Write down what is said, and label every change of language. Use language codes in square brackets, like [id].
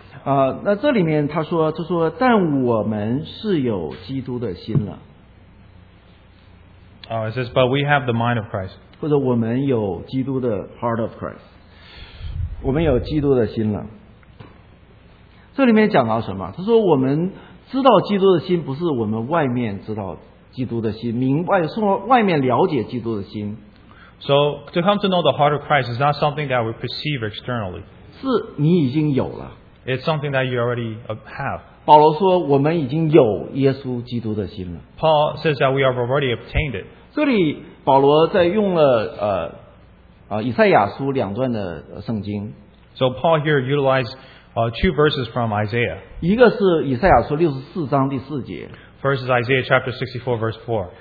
[zh] 那这里面他说，就说，但我们是有基督的心了。 [en] Oh, it says, but we have the mind of Christ. [zh] 或者我们有基督的 [en] heart of Christ. [zh] 我们有基督的心了。这里面讲到什么？他说我们知道基督的心，不是我们外面知道基督的心，明白从外面了解基督的心。 [en] So to come to know the heart of Christ is not something that we perceive externally. [zh] 是你已经有了。 [en] It's something that you already have. [zh] 保罗说我们已经有耶稣基督的心了。 [en] Paul says that we have already obtained it. [zh] 这里保罗在用了以赛亚书两段的圣经。 [en] So Paul here utilized two verses from Isaiah. [zh] 一个是以赛亚书64章第4节。 [en] First is Isaiah chapter 64 verse 4.